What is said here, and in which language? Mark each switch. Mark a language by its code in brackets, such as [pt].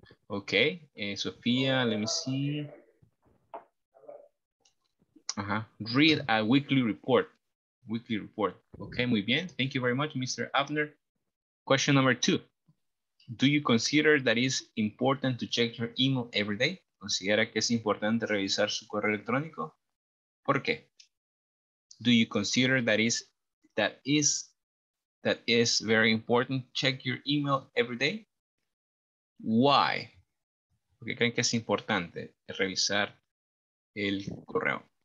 [en] Okay. Sofía, let me see. Uh-huh. Read a weekly report. Weekly report. Okay, [es] muy bien. [en] Thank you very much, Mr. Abner. Question number 2. Do you consider that it's important to check your email every day? [es] ¿Considera que es importante revisar su correo electrónico? ¿Por qué? [en] Do you consider that is very important to check your email every day? Why? [es] ¿Por qué creen que es importante revisar el correo?